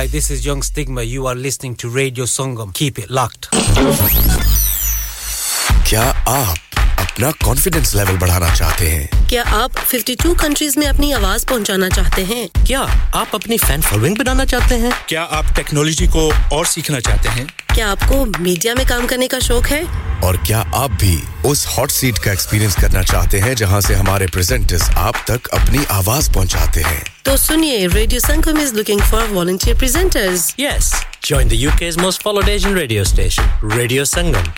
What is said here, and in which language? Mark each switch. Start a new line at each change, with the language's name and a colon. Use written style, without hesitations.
English: Young Stigma, you are listening to Radio Sangam. Keep it locked.
Hindi: क्या आप अपना confidence level बढ़ाना चाहते हैं? क्या आप 52 countries में अपनी आवाज़ पहुंचाना चाहते हैं? क्या आप अपनी fan following बनाना चाहते हैं? क्या आप technology को और सीखना चाहते हैं? क्या आपको media में काम करने का शौक है? और क्या आप भी उस hot seat का experience करना चाहते हैं, जहां से हमारे presenters आप तक अपनी आवाज़ पहुंचाते हैं?
English: So, Sunye, Radio Sangam is looking for volunteer presenters. Yes. Join the UK's most followed Asian radio station, Radio Sangam.